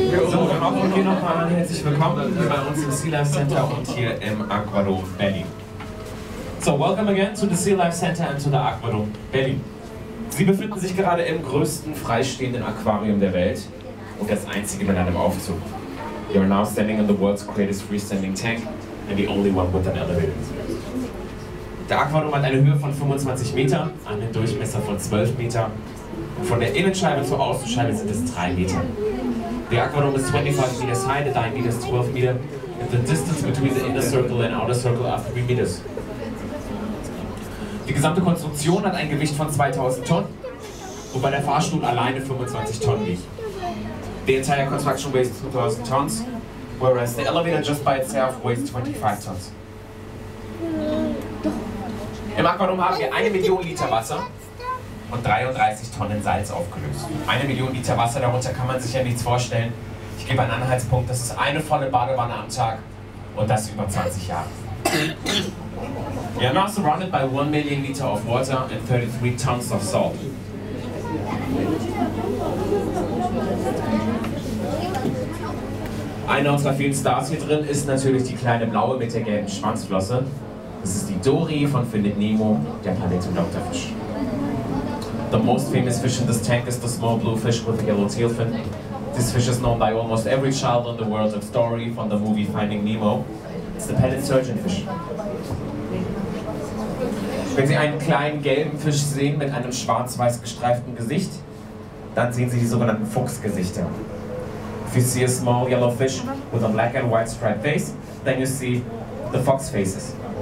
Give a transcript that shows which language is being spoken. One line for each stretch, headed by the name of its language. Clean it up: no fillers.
German: So, und auch hier nochmal herzlich willkommen hier bei uns im Sea Life Center und hier im Aquadome Berlin.
English: So, welcome again to the Sea Life Center and to the Aquadome Berlin.
German: Sie befinden sich gerade im größten freistehenden Aquarium der Welt und das einzige mit einem Aufzug.
English: You are now standing in the world's greatest freestanding tank and the only one with an elevator.
German: Der Aquadome hat eine Höhe von 25 Meter, einen Durchmesser von 12 Meter. Von der Innenscheibe zur Außenscheibe sind es 3 Meter.
English: The Aquadome is 25 meters high, the diameter is 12 meter, and the distance between the inner circle and outer circle are 3 meters.
German: Die gesamte Konstruktion hat ein Gewicht von 2000 Tonnen, wobei der Fahrstuhl alleine 25 Tonnen wiegt.
English: The entire construction weighs 2000 tons, whereas the elevator just by itself weighs 25 tons.
German: Im Aquadome haben wir 1 Million Liter Wasser und 33 Tonnen Salz aufgelöst. 1 Million Liter Wasser, darunter kann man sich ja nichts vorstellen. Ich gebe einen Anhaltspunkt, das ist eine volle Badewanne am Tag und das über 20 Jahre.
English: We are now surrounded by 1 million liter of water and 33 tons of salt.
German: Einer unserer vielen Stars hier drin ist natürlich die kleine Blaue mit der gelben Schwanzflosse. Das ist die Dory von Findet Nemo, der Planet und Dr. Fisch.
English: The most famous fish in this tank is the small blue fish with a yellow tail fin. This fish is known by almost every child in the world of Dory from the movie Finding Nemo. It's the Planet Surgeon Fish.
German: Wenn Sie einen kleinen gelben Fisch sehen mit einem schwarz-weiß gestreiften Gesicht, dann sehen Sie die sogenannten Fuchsgesichter.
English: If you see a small yellow fish with a black and white striped face, then you see the fox faces.